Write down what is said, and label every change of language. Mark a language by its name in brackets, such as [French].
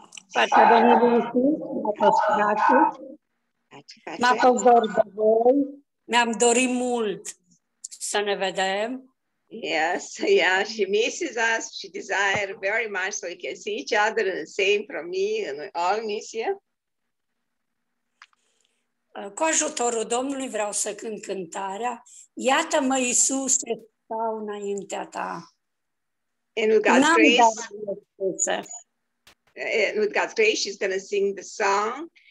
[Romanian] Fața Domnului Iisus, mi-a fost gratis. M-a fost dor de voi. Mi-am dorit mult să ne vedem. [English] Yes, yeah, she misses us. She desires very much so we can see each other, and the same from me, and we all miss you. [Romanian] Cu ajutorul Domnului vreau să cânt cântarea. Iată-mă, Iisuse, stau înaintea ta. [English] And with God's grace, she's going to sing the song.